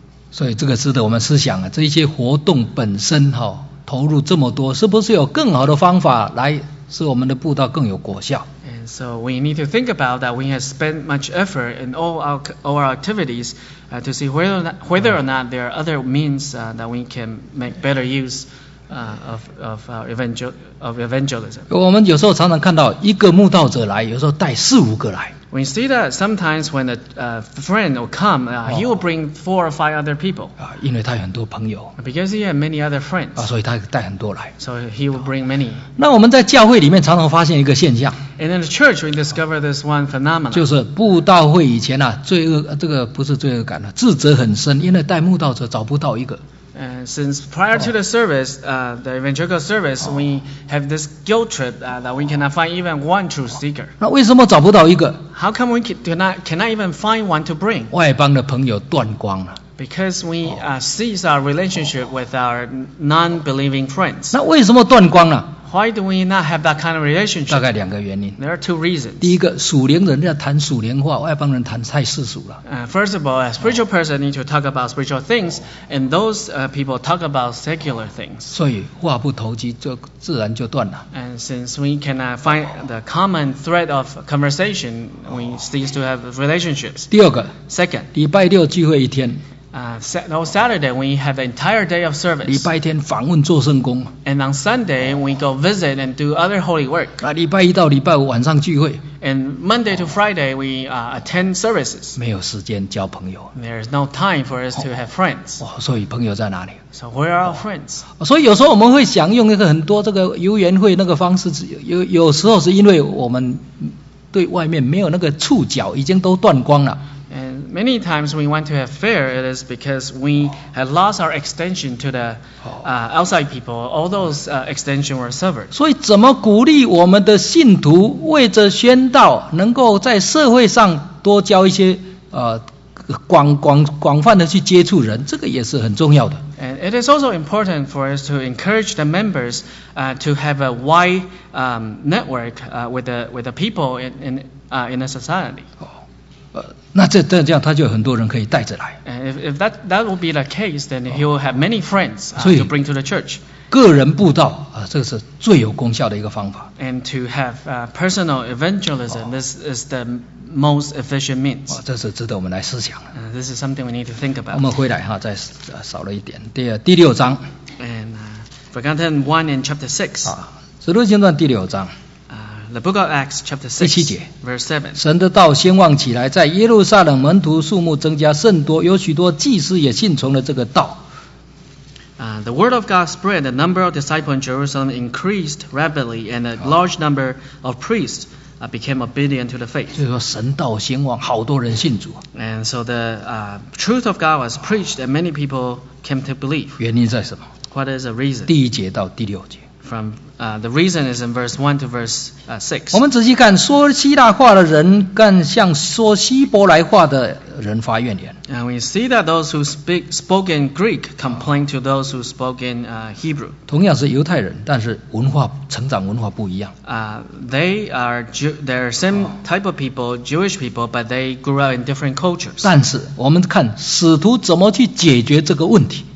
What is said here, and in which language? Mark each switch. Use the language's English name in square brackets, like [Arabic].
[Chinese] 所以这个值得我们思想这一些活动本身投入这么多，是不是有更好的方法来使我们的布道更有果效？ [English] And so we need to think about that. We have spent much effort in all our activities to see whether or not there are other means that we can make better use of evangelism. [Chinese] 我们有时候常常看到一个慕道者来，有时候带四五个来。 [English] We see that sometimes when a friend will come, he will bring four or five other people. [Chinese] 因为他有很多朋友。 [English] Because he had many other friends. [Chinese] 所以他带很多来。 [English] So he will bring many. [Chinese] 那我们在教会里面常常发现一个现象。 [English] And in the church, we discover this one phenomenon. [Chinese] 就是布道会以前罪恶，这个不是罪恶感自责很深，因为带慕道者找不到一个。 [English] And since prior to the service, the evangelical service, we have this guilt trip that we cannot find even one truth seeker. [Chinese] 那为什么找不到一个？ [English] How come we cannot even find one to bring? [Chinese] 外邦的朋友断光了。 [English] Because we cease our relationship with our non-believing friends. [Chinese] 那为什么断光了？ [English] Why do we not have that kind of relationship? [Chinese] 大概两个原因。 [English] There are two reasons. [Chinese] 第一个，属灵人要谈属灵话，外邦人谈太世俗了。 [English] First of all, a spiritual person need to talk about spiritual things, and those people talk about secular things. [Chinese] 所以话不投机，就自然就断了。 [English] And since we cannot find the common thread of conversation, we cease to have relationships. [Chinese] 第二个。 [English] Second. [Chinese] 礼拜六聚会一天。 [English] Saturday we have the entire day of service. [Chinese] 礼拜天访问做圣工。 [English] And on Sunday we go visit and do other holy work. [Chinese] 礼拜一到礼拜五晚上聚会。 [English] And Monday to Friday we attend services. [Chinese] 没有时间交朋友。 [English] There is no time for us to have friends. [Chinese] 所以朋友在哪里？ [English] So where are our friends? [Chinese] 所以有时候我们会享用一个很多这个游园会那个方式，有时候是因为我们对外面没有那个触角，已经都断光了。 [English] And many times we want to have fair, it is because we had lost our extension to the outside people. All those extensions were severed. [Chinese] 所以怎么鼓励我们的信徒为着宣道能够在社会上多交一些广泛的去接触人，这个也是很重要的。 [English] And it is also important for us to encourage the members to have a wide network with the people in in a society. [Chinese] 那这样他就有很多人可以带着来。 [English] If that would be the case, then he will have many friends to bring to the church. [Chinese] 个人布道啊，这个是最有功效的一个方法。 [English] And to have personal evangelism, this is the most efficient means. [Chinese] 这是值得我们来思想的。 [English] This is something we need to think about. [Chinese] 我们回来哈，再少了一点。第六章。 [English] And Forgotten One in Chapter 6. [Chinese] 使徒行传第六章。 [English] The book of Acts, chapter 6, [Chinese] 第七节 [English] verse 7. [Chinese] 神的道兴旺起来，在耶路撒冷门徒数目增加甚多，有许多祭司也信从了这个道。 [English] The word of God spread, the number of disciples in Jerusalem increased rapidly, and a large number of priests became obedient to the faith. [Chinese] 就是说神道兴旺，好多人信主。 [English] And so the truth of God was preached, and many people came to believe. [Chinese] 原因在什么？ [English] What is the reason? [Chinese] 第一节到第六节。 [English] From the reason is in verse 1 to verse 6. [Chinese] 我们仔细看，说希腊话的人跟像说希伯来话的人发怨言。 [English] And we see that those who spoke in Greek complain to those who spoke in Hebrew. [Chinese] 同样是犹太人，但是文化成长文化不一样。 [English] They're same type of people, Jewish people, but they grew up in different cultures. [Chinese] 但是我们看使徒怎么去解决这个问题。